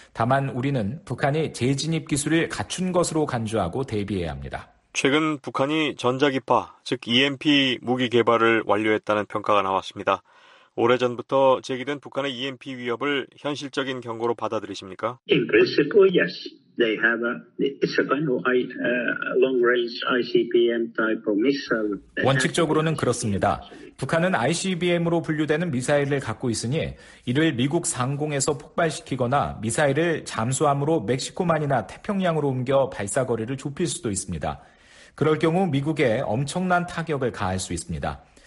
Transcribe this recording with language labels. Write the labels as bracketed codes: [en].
[ko] 다만 우리는 북한이 재진입 기술을 갖춘 것으로 간주하고 대비해야 합니다. 최근 북한이 전자기파, 즉 EMP 무기 개발을 완료했다는 평가가 나왔습니다. 오래전부터 제기된 북한의 EMP 위협을 현실적인 경고로 받아들이십니까? [en] In principle, yes. They have a, it's a kind of long-range ICBM type of missile. [ko] 원칙적으로는 그렇습니다. 북한은 ICBM으로 분류되는 미사일을 갖고 있으니 이를 미국 상공에서 폭발시키거나 미사일을 잠수함으로 멕시코만이나 태평양으로 옮겨 발사 거리를 좁힐 수도 있습니다. 그럴 경우 미국에 엄청난 타격을 가할 수 있습니다.